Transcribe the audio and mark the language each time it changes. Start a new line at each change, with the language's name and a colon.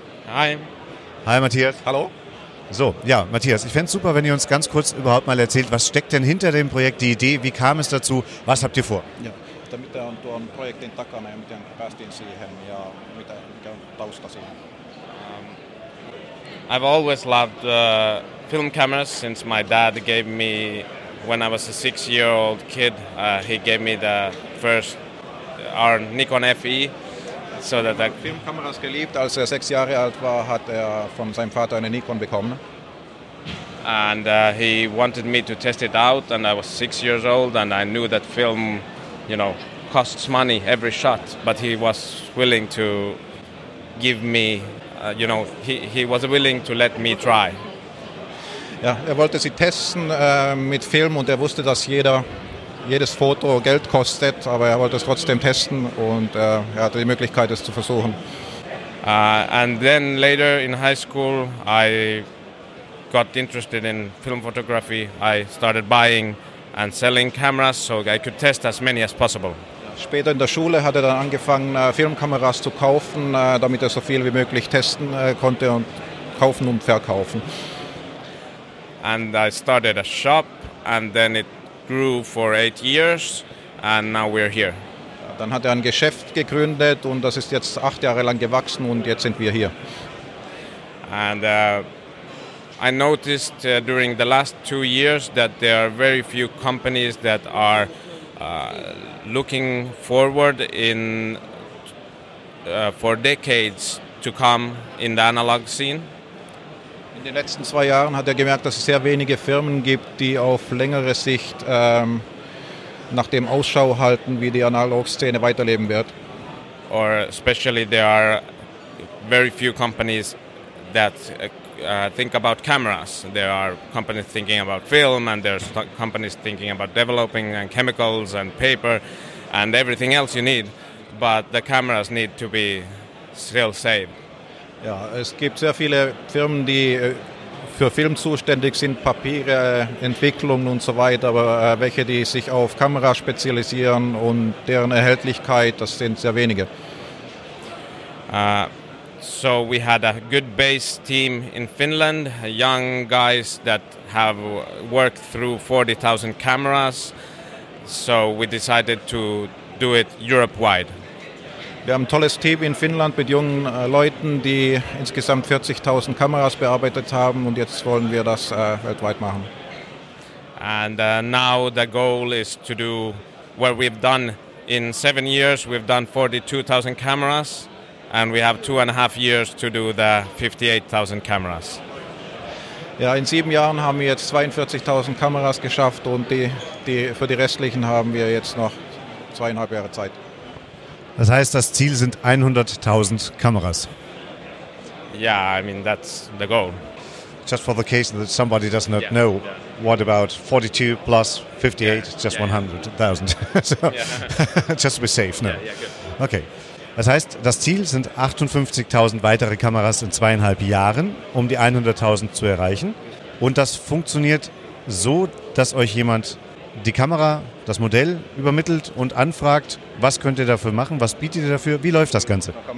English: Hi. Hi Matthias.
German: Hallo. So, ja, Matthias, ich fände es super, wenn ihr uns ganz kurz überhaupt mal erzählt, was steckt denn hinter dem Projekt, die Idee, wie kam es dazu, was habt ihr vor? Ja, damit er an dem Projekt in
Finnish: Takana,
German: ja, mit dem
Finnish: Päästin siihen,
German: ja, mit der
Finnish: Tausta siihen.
English: I've always loved film cameras since my dad gave me, when I was a 6-year-old kid, he gave me the first, our Nikon FE.
German: So er hat Filmkameras geliebt, als er 6 Jahre alt war, hat er von seinem Vater eine Nikon bekommen.
English: And he wanted me to test it out, and I was 6 years old, and I knew that film, you know, costs money every shot, but he was willing to give me, you know, he was willing to let me try.
German: Ja, er wollte sie testen mit Film, und er wusste, dass jedes Foto Geld kostet, aber er wollte es trotzdem testen und er hatte die Möglichkeit, es zu versuchen.
English: And then later in high school I got interested in film photography. I started buying and selling cameras so I could test as many as possible.
German: Später in der Schule hat er dann angefangen, Filmkameras zu kaufen, damit er so viel wie möglich testen konnte und kaufen und verkaufen.
English: And I started a shop and then it grew for 8 years and now we're here.
German: Dann hat er ein Geschäft gegründet und das ist jetzt 8 Jahre lang gewachsen und jetzt sind wir hier.
English: And I noticed during the last 2 years that there are very few companies that are looking forward in for decades to come in the analog scene.
German: In den letzten 2 Jahren hat er gemerkt, dass es sehr wenige Firmen gibt, die auf längere Sicht nach dem Ausschau halten, wie die Analog-Szene weiterleben wird.
English: Or especially there are very few companies that think about cameras. There are companies thinking about film and there's companies thinking about developing and chemicals and paper. and everything else you need, but the cameras need to be still safe.
German: Ja, es gibt sehr viele Firmen, die für Film zuständig sind, Papiere, Entwicklungen und so weiter, aber welche, die sich auf Kameras spezialisieren und deren Erhältlichkeit, das sind sehr wenige.
English: So we had a good base team in Finland, young guys that have worked through 40,000 cameras, so we decided to do it Europe-wide.
German: Wir haben ein tolles Team in Finnland mit jungen Leuten, die insgesamt 40.000 Kameras bearbeitet haben und jetzt wollen wir das weltweit machen.
English: And now the goal is to do what we've done in 7 years, we've done 42,000 cameras and we have 2.5 years to do the 58,000 cameras.
German: Ja, in 7 Jahren haben wir jetzt 42.000 Kameras geschafft und für die restlichen haben wir jetzt noch 2.5 Jahre Zeit. Das heißt, das Ziel sind 100.000 Kameras.
English: Yeah, I mean, that's the goal. Just for the case that somebody does not know, what about 42 plus 58, just 100.000. Just to be safe, no? Yeah, yeah, good. Okay.
German: Das heißt, das Ziel sind 58.000 weitere Kameras in 2.5 Jahren, um die 100.000 zu erreichen. Und das funktioniert so, dass euch jemand die Kamera, das Modell übermittelt und anfragt, was könnt ihr dafür machen, was bietet ihr dafür, wie läuft das Ganze?